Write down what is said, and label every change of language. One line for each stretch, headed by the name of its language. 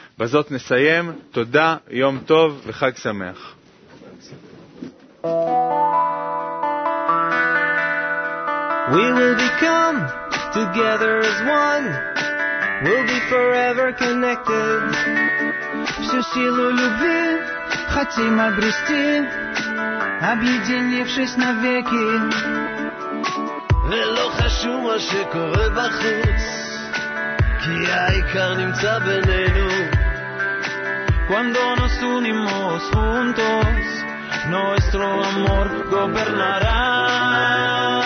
Hebrew: בזאת נסיים, תודה, יום טוב וחג שמח.
English: We will become together as one, we'll be forever connected.
Russian: Всю любви хотим обрести, объединившись навеки.
Hebrew: ולא חשוב מה שקורה בחוץ, כי העיקר נמצא בינינו.
Spanish: Cuando nos unimos juntos, nuestro amor gobernará.